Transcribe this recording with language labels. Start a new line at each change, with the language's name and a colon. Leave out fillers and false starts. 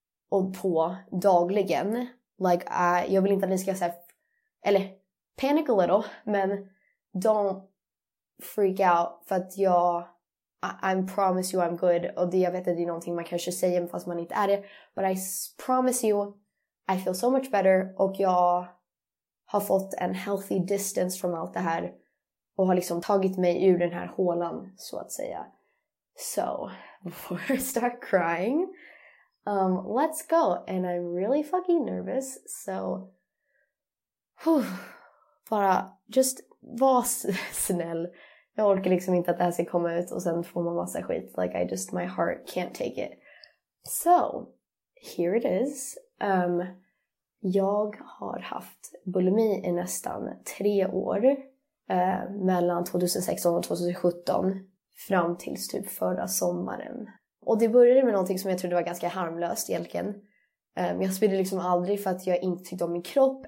Swedish: Och på dagligen. Like, jag vill inte att ni ska säga... Eller,
English: panic a little.
Swedish: Men
English: don't freak out.
Swedish: För att jag...
English: I promise you I'm good.
Swedish: Och det jag vet att det är någonting man kanske säger fast man inte är det.
English: But I promise you I feel so much better.
Swedish: Och jag har fått en
English: healthy distance
Swedish: från allt det här. Och har liksom tagit mig ur den här hålan, så att säga.
English: So, before I start crying... let's go. And I'm really fucking nervous. So,
Swedish: bara, just var snäll. Jag orkar liksom inte att det här ska komma ut och sen får man massa skit.
English: Like, I just, my heart can't take it. So, here it is.
Swedish: Jag har haft bulimi i nästan 3 år. Mellan 2016 och 2017. Fram tills typ förra sommaren. Och det började med någonting som jag trodde var ganska harmlöst egentligen. Jag spydde liksom aldrig för att jag inte tyckte om min kropp.